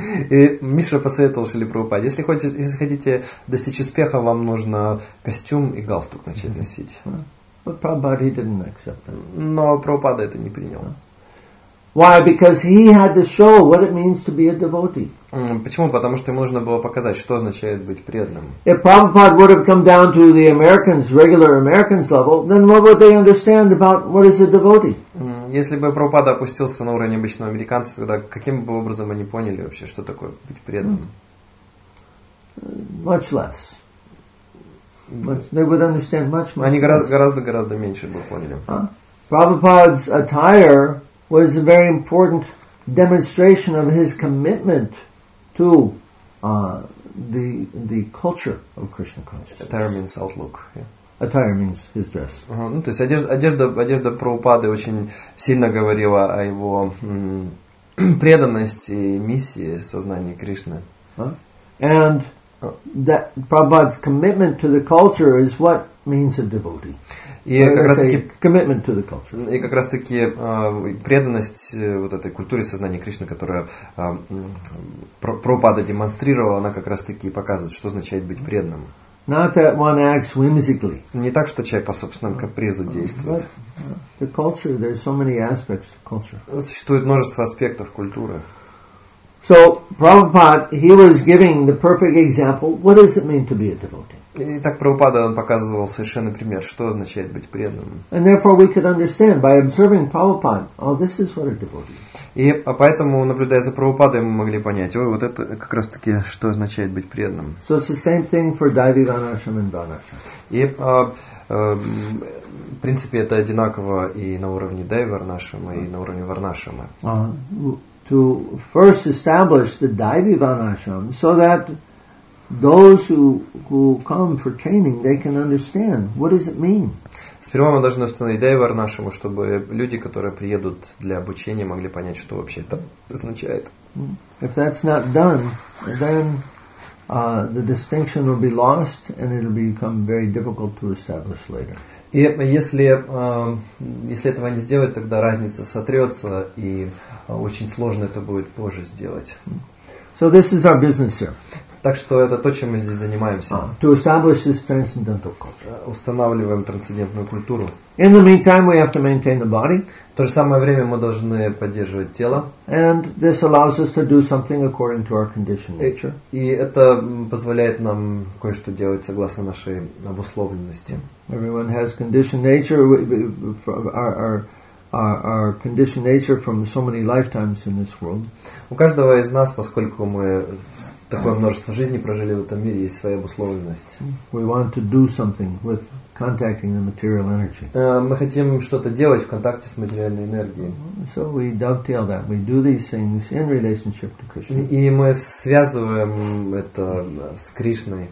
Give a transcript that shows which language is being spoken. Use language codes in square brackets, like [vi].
[ru] И Мишра посоветовал Шриле Прабхупаде, если хотите достичь успеха, вам нужно костюм и галстук начать носить. [en] But Prabhupada didn't accept that. [ru] Но Прабхупада это не принял. [en] Why? Because he had to show what it means to be a devotee. [ru] Почему? Потому что ему нужно было показать, что означает быть преданным. [en] If Prabhupada would have come down to the Americans, regular Americans level, then what would they understand about what is a devotee? [ru] Если бы Прабхупада опустился на уровень обычного американца, тогда каким бы образом они поняли вообще, что такое быть преданным? [en] Much less. They would understand much, much less. [ru] Они гораздо меньше бы поняли. [en] Prabhupada's attire was a very important demonstration of his commitment to the culture of Krishna consciousness. Attire means outlook. Yeah. Attire means his dress. [ru] Ну, то есть одежда Прабхупады очень сильно говорила о его преданности и миссии сознания Кришны. [en] And that Prabhupada's commitment to the culture is what means a devotee. [ru] И как раз таки преданность вот этой культуре сознания Кришны, которая Прабхупада демонстрировала, она как раз таки показывает, что означает быть преданным. [en] Not that one acts whimsically. [ru] Не так, что человек по собственному капризу действует. [en] The culture, there's so many aspects to culture. [ru] Существует множество аспектов культуры. [en] So Prabhupada, he was giving the perfect example. What does it mean to be a devotee? [ru] И так Прабхупада он показывал совершенный пример, что означает быть преданным. [en] And therefore we could understand by observing Prabhupada, oh, this is what a devotee is. [ru] И поэтому, наблюдая за Прабхупадой, мы могли понять, ой, вот это как раз таки, что означает быть преданным. [en] So it's the same thing for Daivi Ganashram and Ganashram. [ru] И в принципе это одинаково и на уровне Дайви Варнашрама, и на уровне Варнашрама. [en] To first establish the Daivi Ganashram so that those who come for training, they can understand what does it mean. [ru] Сперва мы должны установить Дайви Варнашраму, чтобы люди, которые приедут для обучения, могли понять, что вообще это означает. [en] If that's not done, then the distinction will be lost, and it'll become very difficult to establish later. [ru] И если этого не сделать, тогда разница сотрется, и очень сложно это будет позже сделать. [en] So this is our business here. [ru] Так что это то, чем мы здесь занимаемся. [en] To establish this transcendental culture. [ru] Устанавливаем трансцендентную культуру. [en] In the meantime, we have to maintain the body. [ru] В то же самое время мы должны поддерживать тело. [en] And this allows us to do something according to our conditioned nature. [ru] И это позволяет нам кое-что делать согласно нашей обусловленности. [en] Everyone has conditioned nature. Our conditioned nature from so many lifetimes in this world. [ru] У каждого из нас, поскольку мы такое множество жизней прожили в этом мире, есть своя обусловленность. [en] We want to do something with contacting the material energy. [ru] Мы хотим что-то делать в контакте с материальной энергией. [en] So we dovetail that. We do these things in relationship to Krishna. [ru] И мы связываем это с Кришной.